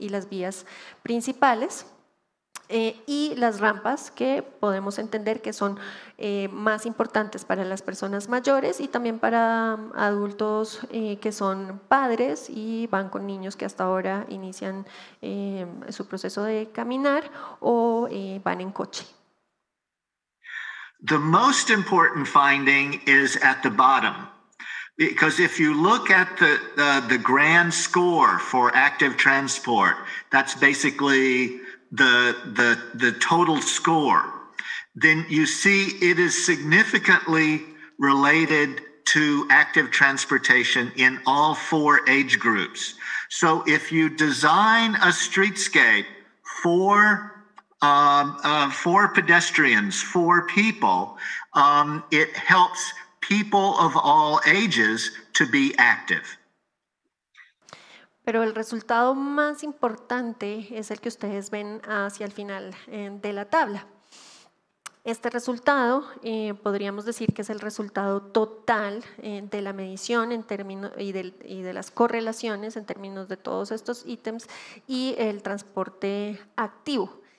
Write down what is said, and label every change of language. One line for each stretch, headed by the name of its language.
Spanish: vías principales, y las rampas, que podemos entender que son más importantes para las personas mayores y también para adultos que son padres y van con niños que hasta ahora inician su proceso de caminar o van en coche.
English: The most important finding is at the bottom, because if you look at the grand score for active transport, that's basically the total score, then you see it is significantly related to active transportation in all four age groups. So if you design a streetscape for pedestrians, for people, it helps people of all ages to be active.
Spanish: Pero el resultado más importante es el que ustedes ven hacia el final de la tabla. Este resultado, podríamos decir que es el resultado total de la medición en términos y de las correlaciones en términos de todos estos ítems y el transporte activo.